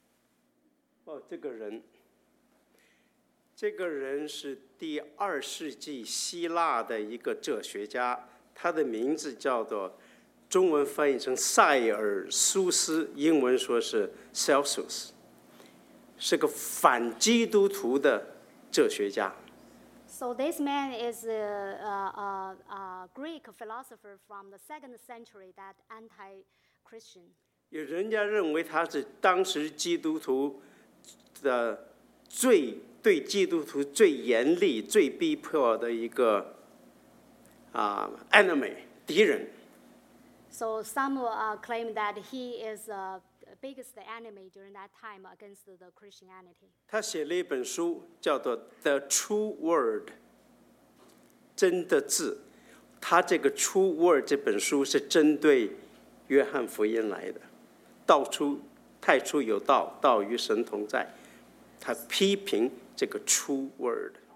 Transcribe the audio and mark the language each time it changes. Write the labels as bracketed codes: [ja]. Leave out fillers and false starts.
[zh] 这个我们已经谈过了哈。哦，这个人。这个人是第二世纪希腊的一个哲学家, 他的名字叫做中文翻译成塞尔苏斯, 英文说是Celsus, 是个反基督徒的哲学家。 [en] So this man is a Greek philosopher from the second century that anti-Christian. [zh] 人家认为他是当时基督徒的最对基督徒最严厉、最逼迫的一个enemy 敌人。 [en] So some claim that he is the biggest enemy during that time against the Christianity. [zh] 他写了一本书叫做《The True Word》，真的字。他这个《True Word》这本书是针对约翰福音来的，道出太初有道，道与神同在。他批评这个《True Word》。